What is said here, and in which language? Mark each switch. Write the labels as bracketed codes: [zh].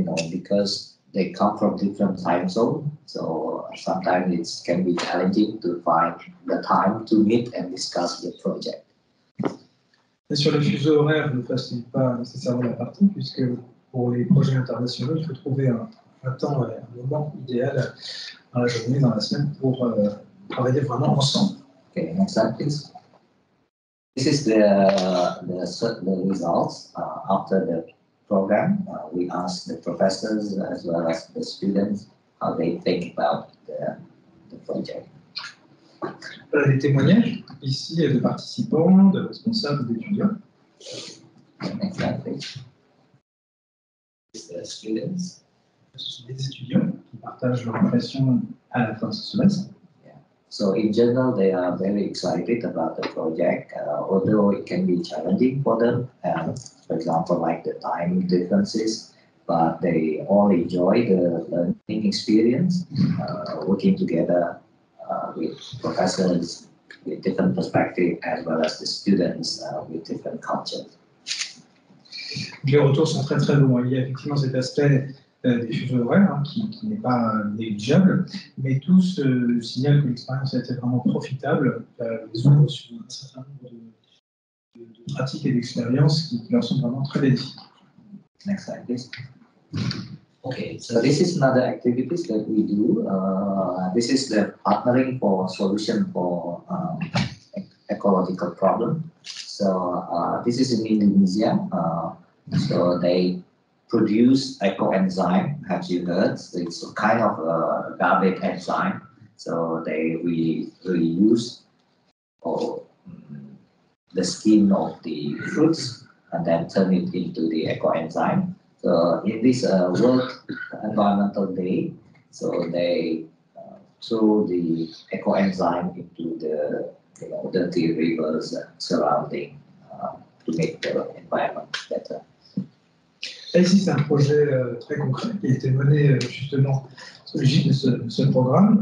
[en] Because they come from different time zones, so sometimes it can be challenging to find the time to meet and discuss the project. [fr] Et sur le fuseau horaire, ne facilite pas nécessairement la partie, puisque pour les projets internationaux, il faut trouver un moment idéal dans la journée, dans la semaine, pour travailler vraiment ensemble. [en] Okay, next slide, please. This is the results after the program. We ask the professors as well as the students how they think about the project. [fr] Voilà les témoignages ici de participants, de responsables, d'étudiants. [en] Next slide, please. This is the students. [fr] Ce sont des étudiants qui partagent leur impression à la fin de ce semestre. [en] So in general, they are very excited about the project, although it can be challenging for them, for example, like the time differences, but they all enjoy the learning experience, working together with professors with different perspectives, as well as the students with different cultures. [fr] Les retours sont très très bons. Il y a effectivement cet aspect des fuseaux horaires hein, qui n'est pas négligeable, mais tous signalent que l'expérience a été vraiment profitable. Ils ouvrent sur un certain nombre de pratiques et d'expériences qui leur sont vraiment très bénéfiques. [en] Next slide, please. Okay, so this is another activities that we do. This is the partnering for solution for ecological problem. So this is in Indonesia. So they produce ecoenzyme, as you heard. So it's a kind of a garbage enzyme. So they reuse the skin of the fruits and then turn it into the ecoenzyme. So in this World Environmental Day, so they throw the ecoenzyme into the dirty rivers surrounding to make the environment better. [fr] Et ici, c'est un projet très concret qui a été mené justement sous l'égide de ce programme.